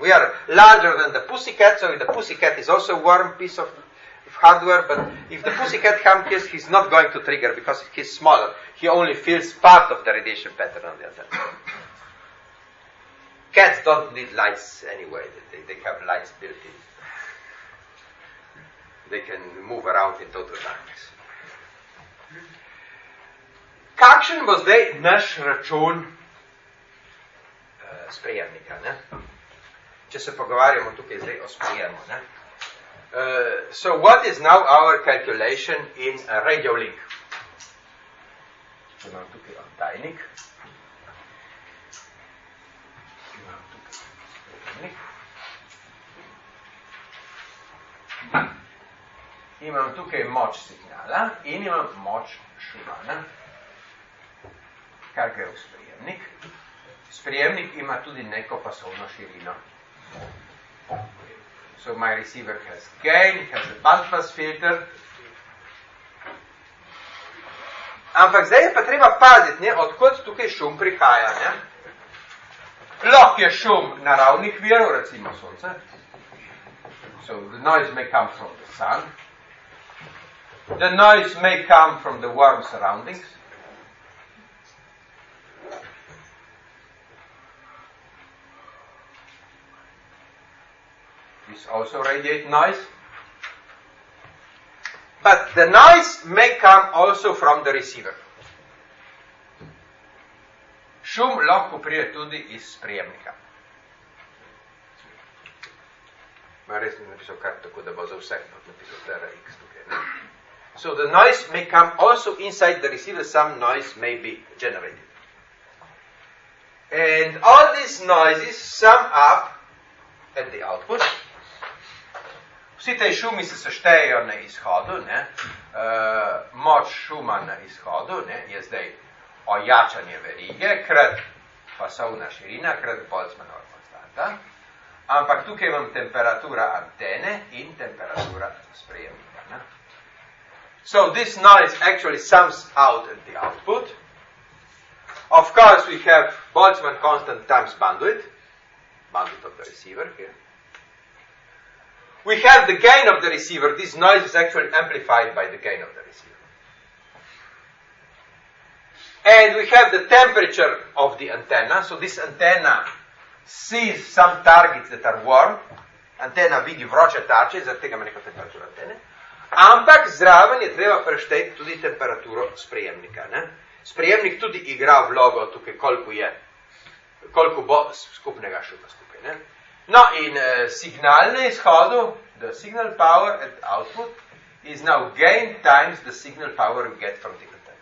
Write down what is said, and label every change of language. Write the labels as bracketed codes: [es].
[en] We are larger than the pussycat, so the pussycat is also a warm piece of hardware, but if the pussycat comes, he's not going to trigger because he's smaller. He only feels part of the radiation pattern on the antenna. Cats don't need lights anyway. They have lights built in. They can move around in total darkness. [sl] Kakšen bo zdaj naš račun sprejemnika? Ne? Če se pogovarjamo tukaj zdaj o sprejemu. Ne? [en] So what is now our calculation in a radio link? [sl] Imam tukaj oddajnik. Imam tukaj moč signala in imam moč šumana, kar gre v sprejemnik. Sprejemnik ima tudi neko pasovno širino. [en] So my receiver has gain, has a bandpass filter. [sl] Ampak zdaj je pa treba paziti, ne, odkot tukaj šum prihaja. Ne? Lahko je šum naravnih virov, recimo sonce. [en] So the noise may come from the sun. The noise may come from the warm surroundings. This also radiate noise. But the noise may come also from the receiver. [sl] Šum lahko prije tudi iz sprejemnika. Ma res mi napisal kar tako, da bo za vse napisal TRX tukaj. Ne? [en] So the noise may come also inside the receiver, some noise may be generated. And all these noises sum up at the output [sl] Vsi te šumi se seštejejo na izhodu, ne? Moč šuma na izhodu, ne? Je zdaj ojačanje verige, krat pasovna širina, krat Boltzmannova konstanta. Ampak tukaj imam temperatura antene in temperatura sprejemnika. Ne? [en] So this noise actually sums out at the output. Of course, we have Boltzmann constant times bandwidth. Bandwidth of the receiver here. We have the gain of the receiver. This noise is actually amplified by the gain of the receiver. And we have the temperature of the antenna. So this antenna sees some targets that are warm. [sl] Antenna vidi vroče tarče, zaradi tega ima neko temperaturo antene. Ampak zraven je treba prešteti tudi temperaturo sprejemnika. Ne? Sprejemnik tudi igra vlogo tukaj, koliko je, koliko bo skupnega šuma skupaj. Ne? No, in signal na izhodu, [en] the signal power at output, is now gain times the signal power we get from the antenna.